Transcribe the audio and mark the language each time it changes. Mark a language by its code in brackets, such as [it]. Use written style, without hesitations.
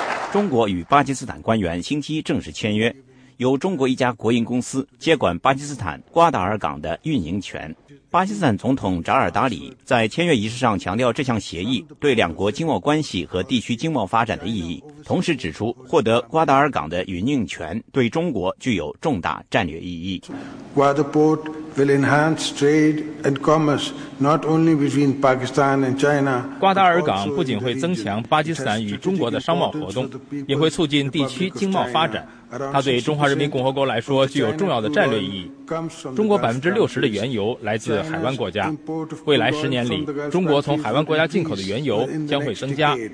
[zh] 中国与巴基斯坦官员星期一正式签约，由中国一家国营公司接管巴基斯坦瓜达尔港的运营权。巴基斯坦总统扎尔达里在签约仪式上强调这项协议对两国经贸关系和地区经贸发展的意义，同时指出获得瓜达尔港的运营权对中国具有重大战略意义。 [en] 瓜达port will enhance trade and commerce not only between Pakistan and China。 [zh] 瓜达尔港不仅会增强巴基斯坦与中国的商贸活动，也会促进地区经贸发展。它对中华人民共和国来说具有重要的战略意义。中国60%的原油来自海湾国家，未来十年里，中国从海湾国家进口的原油将会增加。